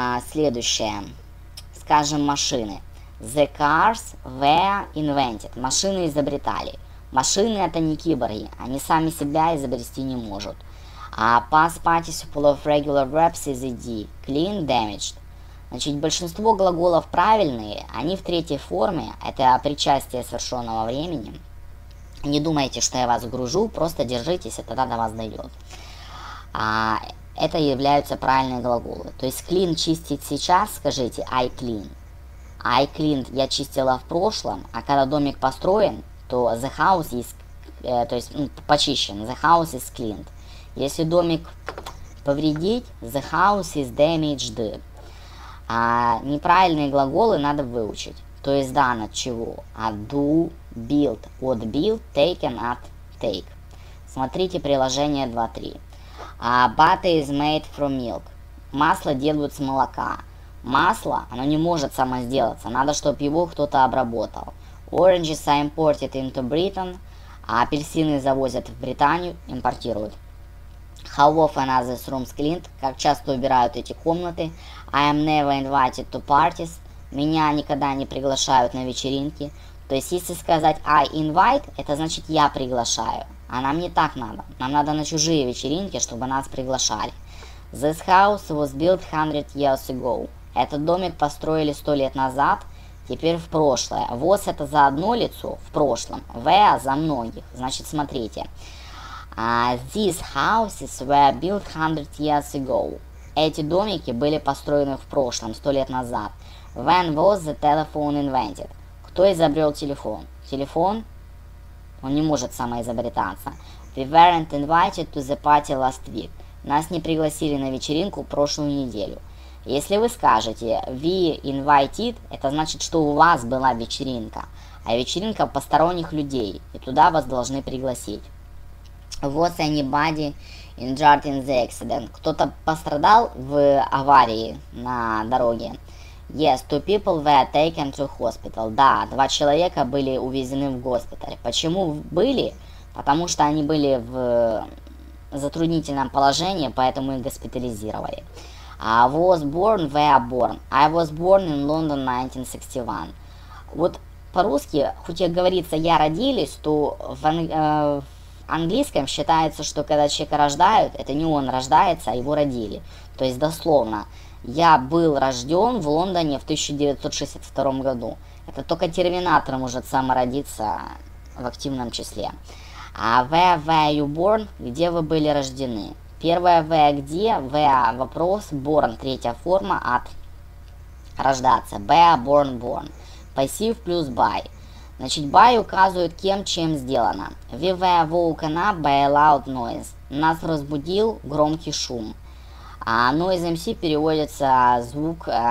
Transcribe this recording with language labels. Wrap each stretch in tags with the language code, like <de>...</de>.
<ru>Следующее, скажем, машины.</ru> <en>The cars were invented.</en> <ru>Машины изобретали. Машины это не киборги, они сами себя изобрести не могут.</ru> <en>Past participle of regular verbs is ed. Clean, damaged.</en> <ru>Значит, большинство глаголов правильные, они в третьей форме, это причастие совершенного времени. Не думайте, что я вас гружу, просто держитесь, и тогда до вас дойдет. Это являются правильные глаголы. То есть clean чистить сейчас, скажите</ru> <en>I clean. I cleaned</en> <ru>я чистила в прошлом, а когда домик построен, то</ru> <en>the house is,</en> <ru>то есть почищен,</ru> <en>the house is cleaned.</en> <ru>Если домик повредить,</ru> <en>the house is damaged.</en> <ru>Неправильные глаголы надо выучить. То есть done от чего?</ru> <en>От do, build, от build, taken, от take.</en> <ru>Смотрите приложение 2.3.</ru> <en>Butter is made from milk.</en> <ru>Масло делают с молока. Масло, оно не может само сделаться. Надо, чтобы его кто-то обработал.</ru> <en>Oranges are imported into Britain.</en> <ru>Апельсины завозят в Британию, импортируют.</ru> <en>How often are these rooms cleaned?</en> <ru>Как часто убирают эти комнаты?</ru> <en>I am never invited to parties.</en> <ru>Меня никогда не приглашают на вечеринки. То есть, если сказать</ru> <en>I invite,</en> <ru>это значит я приглашаю. А нам не так надо. Нам надо на чужие вечеринки, чтобы нас приглашали.</ru> <en>This house was built 100 years ago.</en> <ru>Этот домик построили 100 лет назад. Теперь в прошлое. Was это за одно лицо в прошлом. Were за многих. Значит, смотрите.</ru> <en>These houses were built 100 years ago.</en> <ru>Эти домики были построены в прошлом, 100 лет назад.</ru> <en>When was the telephone invented?</en> <ru>Кто изобрел телефон? Телефон? Он не может самоизобретаться.</ru> <en>We weren't invited to the party last week.</en> <ru>Нас не пригласили на вечеринку прошлую неделю. Если вы скажете</ru> <en>we invited,</en> <ru>это значит, что у вас была вечеринка. А вечеринка посторонних людей, и туда вас должны пригласить.</ru> <en>Was anybody injured in the accident?</en> <ru>Кто-то пострадал в аварии на дороге?</ru> <en>Yes, two people were taken to hospital.</en> <ru>Да, два человека были увезены в госпиталь. Почему были? Потому что они были в затруднительном положении, поэтому их госпитализировали.</ru> <en>Was born, were born. I was born in London 1961.</en> <ru>Вот по-русски, хоть и говорится «я родились», то в английском считается, что когда человека рождают, это не он рождается, а его родили. То есть дословно. Я был рожден в Лондоне в 1962 году. Это только терминатор может самородиться в активном числе.</ru> <en>Where were you born?</en> <ru>Где вы были рождены? Первое where где? Where вопрос. Born третья форма от рождаться.</ru> <en>Bear, born, born.</en> <ru>Пассив плюс by. Значит, by указывает кем, чем сделано.</ru> <en>We were woken up by a loud noise.</en> <ru>Нас разбудил громкий шум. А noise MC переводится звук...</ru>